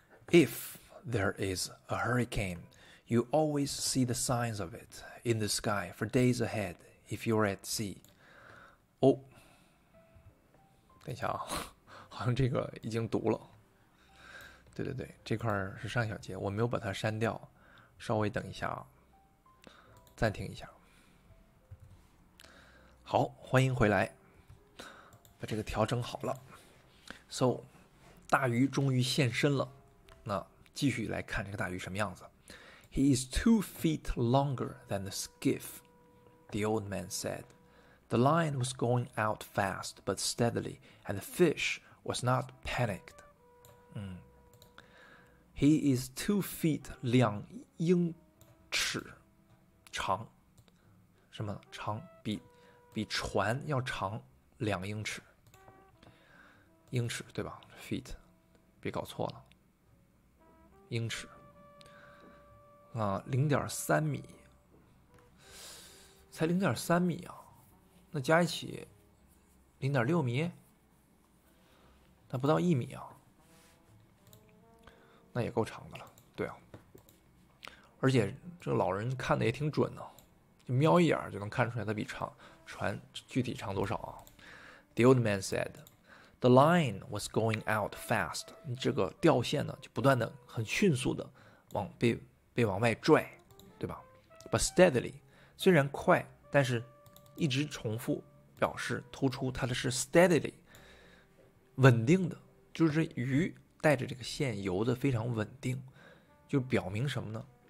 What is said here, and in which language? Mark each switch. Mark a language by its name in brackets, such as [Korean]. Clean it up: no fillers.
[English] If there is a hurricane, you always see the signs of it in the sky for days ahead if you're at sea. [Chinese] 哦，等一下啊，好像这个已经读了。对对对，这块是上小节，我没有把它删掉，稍微等一下啊，暂停一下。好，欢迎回来，把这个调整好了。 So, 大鱼终于现身了，那继续来看这个大鱼什么样子。 [English] He is 2 feet longer than the skiff, the old man said. The line was going out fast but steadily, and the fish was not panicked.、He is 2 feet [Chinese] 两英尺长，什么长？比船要长两英尺，英尺对吧 ？feet， 别搞错了，英尺。啊，0.3米，才0.3米啊，那加一起0.6米，那不到1米啊，那也够长的了，对啊。而且这老人看的也挺准呢、就瞄一眼就能看出来它比长船具体长多少啊。 [English] The old man said, "The line was going out fast." [Chinese] 这个钓线呢，就不断的很迅速的往被。被往外拽，对吧 [English] ？But steadily， [Chinese] 虽然快，但是一直重复表示突出它的是 steadily， 稳定的，就是鱼带着这个线游的非常稳定，就表明什么呢？